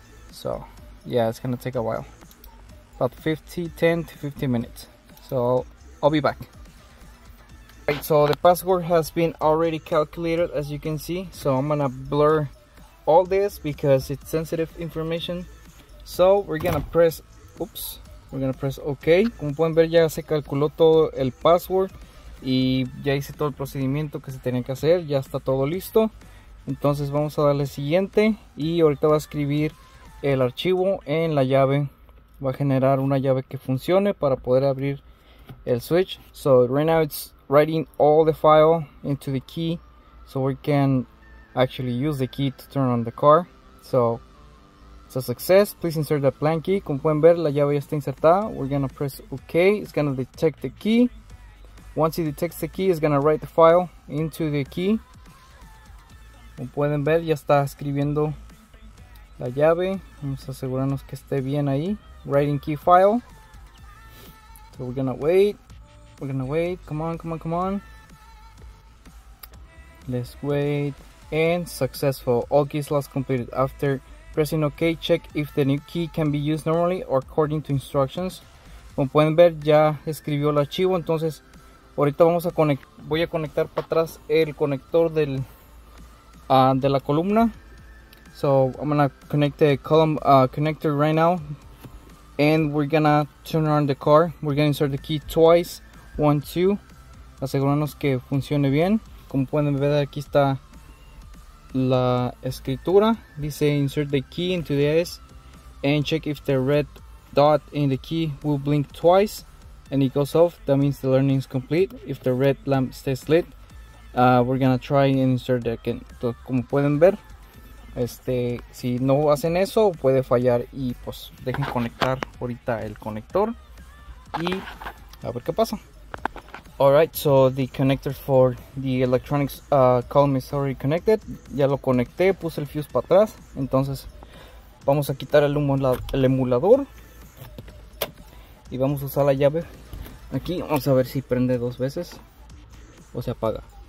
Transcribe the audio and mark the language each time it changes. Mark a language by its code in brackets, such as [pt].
[en] So yeah, it's gonna take a while, about 10 to 15 minutes. So I'll be back. All right, so the password has been already calculated, as you can see. So I'm gonna blur all this because it's sensitive information. So we're gonna press, oops, we're gonna press OK. [es] Como pueden ver, ya se calculó todo el password y ya hice todo el procedimiento que se tenía que hacer. Ya está todo listo. Entonces vamos a darle siguiente y ahorita va a escribir el archivo en la llave. Va a generar una llave que funcione para poder abrir el switch. [en] So right now it's writing all the file into the key, so we can actually use the key to turn on the car. So it's a success. Please insert the plan key. [es] Como pueden ver, la llave ya está insertada. [en] We're gonna press OK. It's gonna detect the key. Once it detects the key, it's gonna write the file into the key. [es] Como pueden ver, ya está escribiendo la llave. Vamos a asegurarnos que esté bien ahí. [en] Writing key file. So we're gonna wait. We're gonna wait. Come on, come on, come on. Let's wait. And successful. All keys lost completed. After pressing OK, check if the new key can be used normally or according to instructions. [es] Como pueden ver, ya escribió el archivo. Entonces, ahorita vamos a voy a conectar para atrás el conector del de la columna. [en] So I'm gonna connect the column connector right now, and we're gonna turn on the car. We're gonna insert the key twice, 1, 2. [es] Asegurarnos que funcione bien. Como pueden ver, aquí está la escritura. [en] Dice insert the key into the S and check if the red dot in the key will blink twice and it goes off. That means the learning is complete. If the red lamp stays lit, we're gonna try and insert it again. [es] Entonces, como pueden ver, si no hacen eso puede fallar, y pues dejen conectar ahorita el conector y a ver qué pasa. [en] Alright, so the connector for the electronics column is already connected. [es] Ya lo conecté, puse el fuse para atrás. Entonces, vamos a quitar el emulador. Y vamos a usar la llave. Aquí, vamos a ver si prende dos veces o se apaga.